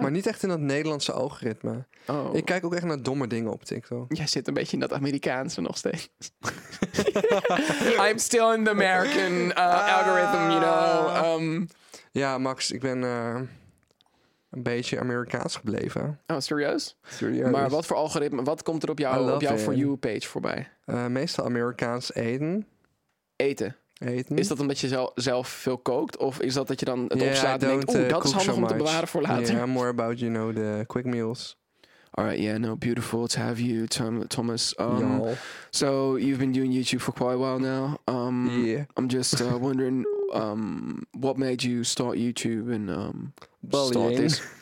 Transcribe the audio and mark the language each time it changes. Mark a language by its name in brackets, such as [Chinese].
[Dutch] Maar niet echt in dat Nederlandse algoritme. Oh. Ik kijk ook echt naar domme dingen op TikTok. Jij zit een beetje in dat Amerikaanse nog steeds. [English] I'm still in the American algorithm, you know. [Dutch] Ja, Max, ik ben een beetje Amerikaans gebleven. Oh, serieus? Serieus. Maar wat voor algoritme, wat komt er op jouw For You page voorbij? Meestal Amerikaans eten. Eten. Eten. Is dat omdat je zelf veel kookt? Of is dat je dan het opstaat en denkt... Oeh, dat is handig om te bewaren voor later. [English] Yeah, more about, you know, the quick meals. All right, yeah, no, beautiful to have you, Thomas. So, you've been doing YouTube for quite a while now. I'm just wondering... what made you start YouTube and start this?